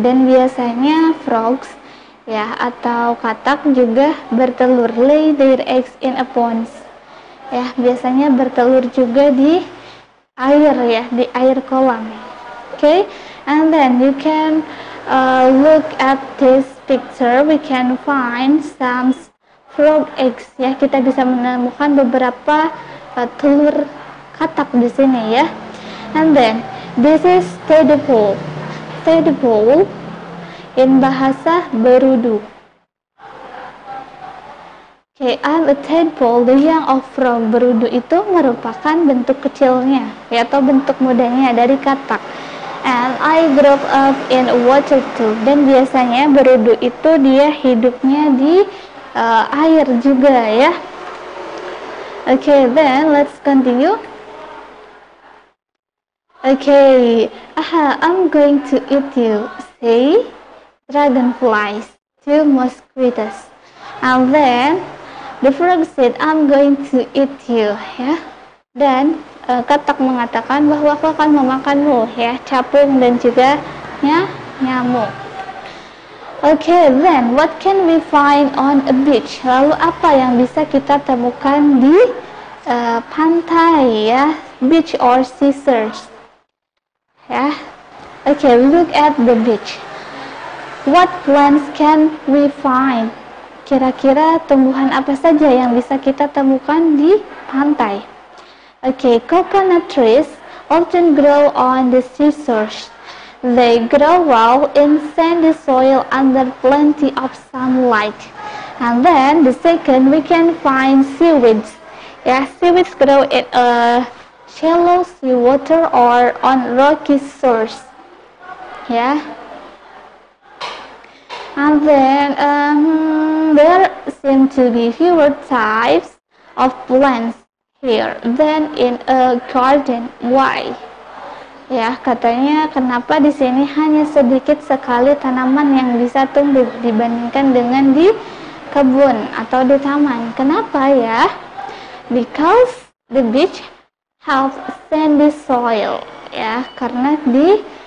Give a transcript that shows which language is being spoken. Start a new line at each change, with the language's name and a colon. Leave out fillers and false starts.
Indonesian: Dan biasanya frogs, ya, atau katak juga bertelur,
English: lay their eggs in a pond.
Indonesian: Ya, biasanya bertelur juga di air, ya, di air kolam.
English: Okay, and then you can look at this picture. We can find some frog eggs.
Indonesian: Ya, kita bisa menemukan beberapa telur katak di sini, ya.
English: And then this is tadpole. Tadpole in bahasa Berudu. Okay, I'm a tadpole, the young of frog.
Indonesian: Berudu itu merupakan bentuk kecilnya, ya, atau bentuk mudanya dari katak.
English: And I grow up in water too.
Indonesian: Dan biasanya berudu itu dia hidupnya di air juga, ya.
English: Okay, then let's continue. Okay, I'm going to eat you, say dragonflies to mosquitoes. And then the frog said, I'm going to eat you, ya.
Indonesian: Dan katak mengatakan bahwa aku akan memakanmu, ya, capung dan juga, ya, nyamuk.
English: Okay, then what can we find on a beach?
Indonesian: Lalu apa yang bisa kita temukan di pantai, ya,
English: beach or seashore? Ya, okay, look at the beach. What plants can we find?
Indonesian: Kira-kira tumbuhan apa saja yang bisa kita temukan di pantai?
English: Okay, coconut trees often grow on the seashore. They grow well in sandy soil under plenty of sunlight. And then the second, we can find seaweeds. Yeah, seaweeds grow in a shallow seawater or on rocky shores. Yeah. And then there seem to be fewer types of plants here than in a garden. Why?
Indonesian: Ya, katanya kenapa di sini hanya sedikit sekali tanaman yang bisa tumbuh dibandingkan dengan di kebun atau di taman. Kenapa, ya?
English: Because the beach has sandy soil.
Indonesian: Ya, karena di